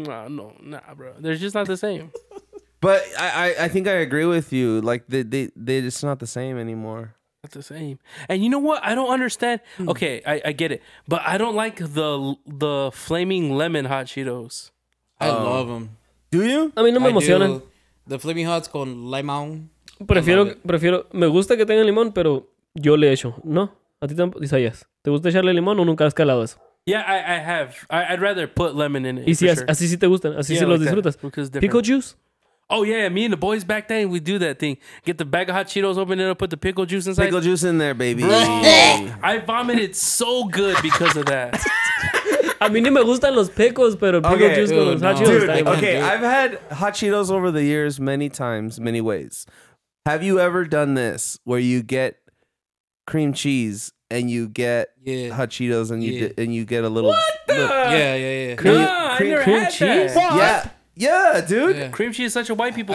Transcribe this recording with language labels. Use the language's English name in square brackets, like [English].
[English] Nah, bro. They're just not the same. But I think I agree with you. Like, they're just not the same anymore. Not the same. And you know what? I don't understand. Okay, I get it. But I don't like the flaming lemon hot Cheetos. I love them. Do you? I mean, [Spanish] no me emocionan. [English] The flaming hot's [Spanish] con limón. Prefiero, me gusta que tenga limón, pero yo le echo, ¿no? A ti tampoco, Isaías. ¿Te gusta echarle limón o nunca has calado eso? [English] Yeah, I have. I'd rather put lemon in it. [Spanish] Y si así sí te gustan, así sí los disfrutas. [English] Pickle juice? Oh, yeah, me and the boys back then, we do that thing. Get the bag of hot Cheetos, open it up, put the pickle juice inside. Pickle juice in there, baby. I vomited so good because of that. [Spanish] A mí ni me gustan los pickles, pero pickle juice con los hot Cheetos. [English] Dude, I've had hot Cheetos over the years many times, many ways. Have you ever done this where you get cream cheese and you get hot Cheetos and you get a little... What the? Cream cheese? What? Yeah, dude. Yeah. Cream cheese is such a white people